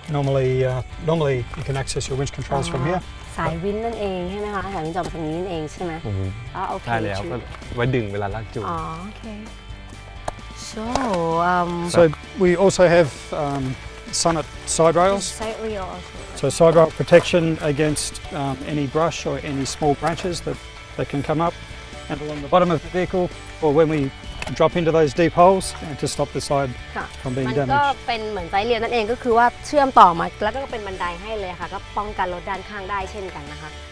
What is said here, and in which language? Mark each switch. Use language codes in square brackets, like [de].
[en] Normally you can access your winch controls from here. [th] สายวินนั่นเองใช่ไหมคะสายวินจอมตรงนี้นั่นเองใช่ไหมโอเค ใช่แล้วก็ไว้ดึงเวลาลากจูง อ๋อโอเค so [en] so we also have Sunnet side rails side rails so side rail protection against any brush or any small branches that can come up and along the bottom of the vehicle or when we drop into those deep holes and to stop the side from being damaged [th] มันก็เป็นเหมือนไฟเลี้ยวนั่นเองก็คือว่าเชื่อมต่อมาแล้วก็เป็นบันไดให้เลยค่ะก็ป้องกันรถด้านข้างได้เช่นกันนะคะ